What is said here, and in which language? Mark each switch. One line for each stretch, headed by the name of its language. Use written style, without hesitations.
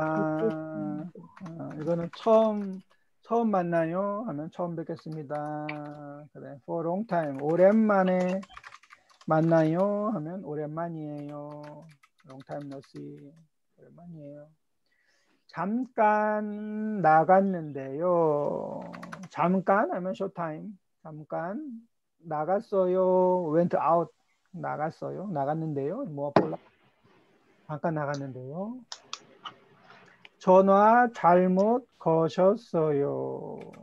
Korean: 아, 이거는 처음 만나요 하면 처음 뵙겠습니다. 그래,
English: for long time
Korean: 오랜만에 만나요 하면 오랜만이에요.
English: Long time no see
Korean: 오랜만이에요. 잠깐 나갔는데요. 잠깐 하면
English: short time
Korean: 잠깐. 나갔어요.
English: Went out.
Korean: 나갔어요. 나갔는데요. 뭐 볼라? 잠깐 나갔는데요. 전화 잘못 거셨어요.